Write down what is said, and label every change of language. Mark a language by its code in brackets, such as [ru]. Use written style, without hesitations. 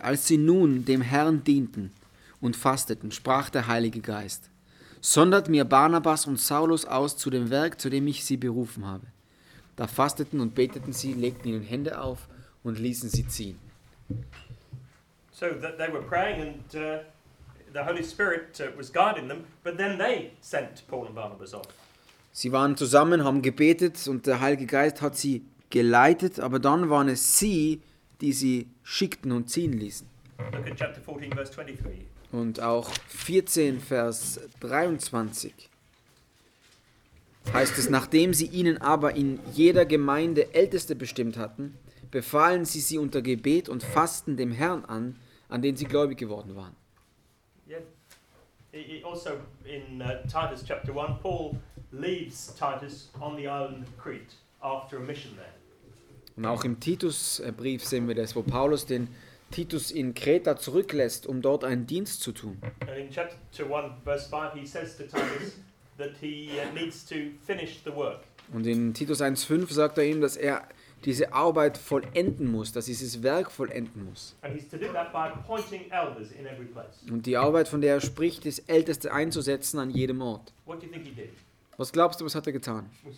[de] Als sie nun dem Herrn dienten und fasteten, sprach der Heilige Geist: Sondert mir Barnabas und Saulus aus zu dem Werk, zu dem ich sie berufen habe. Da fasteten und beteten sie, legten ihnen Hände auf und ließen sie ziehen. [en] So that they were praying and the Holy Spirit was guiding them, but then they sent Paul and Barnabas off. [de] Sie waren zusammen, haben gebetet und der Heilige Geist hat sie geleitet, aber dann waren es sie, die sie schickten und ziehen ließen. [en] Look at chapter 14, verse 23. [de] Und auch 14, Vers 23 heißt es, nachdem sie ihnen aber in jeder Gemeinde Älteste bestimmt hatten, befahlen sie sie unter Gebet und Fasten dem Herrn an, an den sie gläubig geworden waren. Yeah. [en] Also in Titus chapter 1, Paul leaves Titus on the island of Crete after a mission there. [de] Und auch im Titusbrief sehen wir das, wo Paulus den Titus in Kreta zurücklässt, um dort einen Dienst zu tun. [en] And in chapter 1, verse 5, he says to Titus that he needs to finish the work. [de] Und in Titus 1,5 sagt er ihm, dass er diese Arbeit vollenden muss, dass dieses Werk vollenden muss. Und die Arbeit, von der er spricht, ist, Älteste einzusetzen an jedem Ort. Was glaubst du, was hat er getan?